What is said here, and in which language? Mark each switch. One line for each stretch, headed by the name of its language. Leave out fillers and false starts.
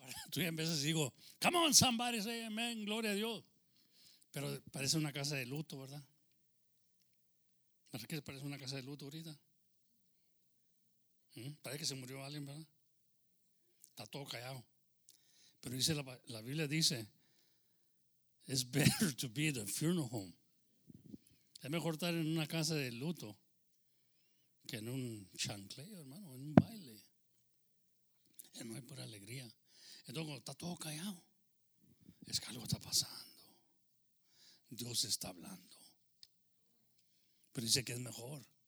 Spanish: Tú ya en veces digo,
English: come on somebody, say amen,
Spanish: gloria a Dios. Pero parece una casa de luto, ¿verdad? ¿Verdad que parece una casa de luto ahorita? Parece que se murió alguien, ¿verdad? Está todo callado. Pero dice la Biblia dice,
English: it's better to be at a funeral home.
Spanish: Es mejor estar en una casa de luto que en un chancleo, hermano, en un baile. Ya no hay pura alegría. Entonces, está todo callado, es que algo está pasando. Dios está hablando. Pero dice que es mejor.